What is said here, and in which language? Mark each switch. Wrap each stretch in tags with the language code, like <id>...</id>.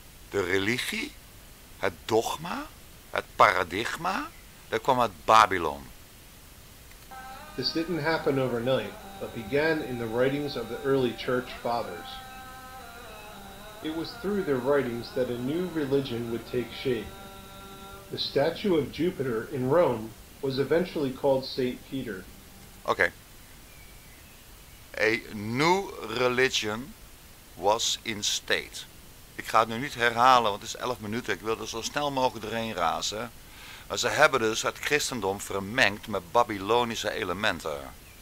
<nl>De religie, het dogma, het paradigma, dat kwam uit Babylon.</nl> <en>This didn't happen overnight, but began in the writings of the early church fathers. It was through their writings that a new religion would take shape. The statue of Jupiter in Rome was eventually called Saint Peter. Okay. A new religion was in state.</en> <nl>Ik ga het nu niet herhalen, want het is 11 minuten. Ik wil er zo snel mogelijk doorheen razen. Maar ze hebben dus het christendom vermengd met Babylonische elementen.</nl>